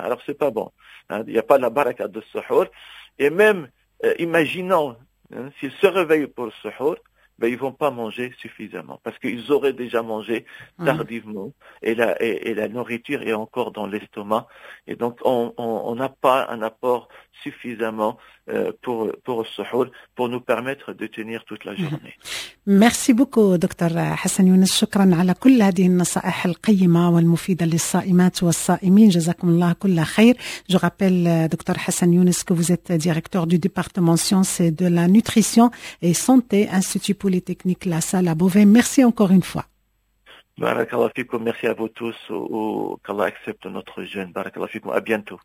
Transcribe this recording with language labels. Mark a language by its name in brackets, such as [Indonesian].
[French] Alors c'est pas bon, hein, il n'y a pas la baraka de suhoor. Et même, imaginons, s'ils se réveillent pour le suhoor, ben ils vont pas manger suffisamment parce qu'ils auraient déjà mangé tardivement et la nourriture est encore dans l'estomac et donc on n'a pas un apport suffisamment pour le suhoor pour nous permettre de tenir toute la journée. Merci beaucoup, Dr. Hassan Younes. [Arabic] شكرا على كل هذه النصائح القيمة والمفيدة للصائمات والصائمين. جزاكم الله كل خير. [French] Je rappelle, Dr. Hassan Younes, que vous êtes directeur du département sciences de la nutrition et santé, Institut Polytechnique La Salle à Beauvais. Merci encore une fois. [Arabic] Barakallahu fikoum. [French] Merci à vous tous. Qu'Allah accepte notre jeûne. [Arabic] Barakallahu fikoum. [French] À bientôt.